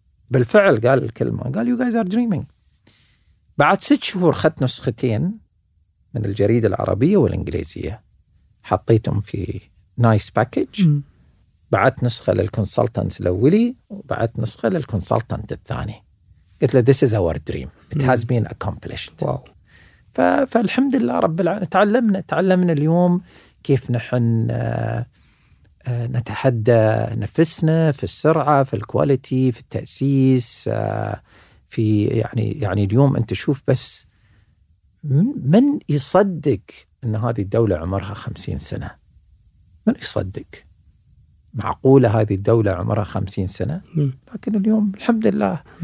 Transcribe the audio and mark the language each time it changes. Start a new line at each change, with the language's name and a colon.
Arabic: بالفعل قال الكلمة قال
English: you guys are dreaming.
Arabic: بعد 6 شهور خدت نسختين من الجريدة العربية والإنجليزية حطيتهم في
English: nice package.
Arabic: بعت نسخة للكونسلتنت الأولي وبعت نسخة للكونسلتنت الثاني. قلت له
English: this is our dream. It has been accomplished.
Arabic: واو. فالحمد لله رب العالمين. تعلمنا اليوم كيف نحن نتحدى نفسنا في السرعة في الكواليتي في التأسيس في يعني اليوم أنت شوف بس من يصدق أن هذه الدولة عمرها 50 سنة؟ من يصدق؟ معقولة هذه الدولة عمرها 50 سنة؟ لكن اليوم الحمد لله.